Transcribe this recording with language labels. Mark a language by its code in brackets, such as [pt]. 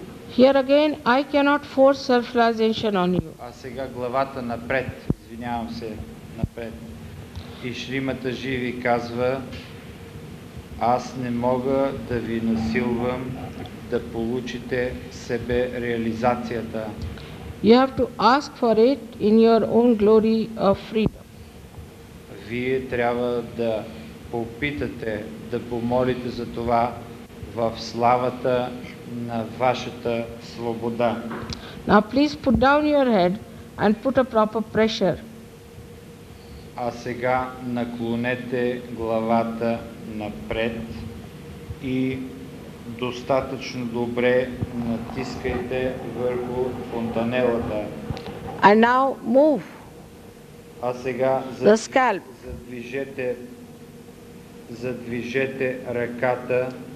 [en] Here again, I cannot force self-realization on you. [bg] А сега главата напред, извинявам се, напред. И Шримата Жи ви казва, аз не мога да ви насилвам да получите себе реализацията. [en] You have to ask for it in your own glory of freedom. [bg] Вие трябва да попитате, да помолите за това в славата на вашата свобода. [en] Now please put down your head and put a proper pressure. [bg] А сега наклонете главата напред и достатъчно добре натискайте върху фонтанелата. [en] And now move. [bg] А сега задвижете ръката.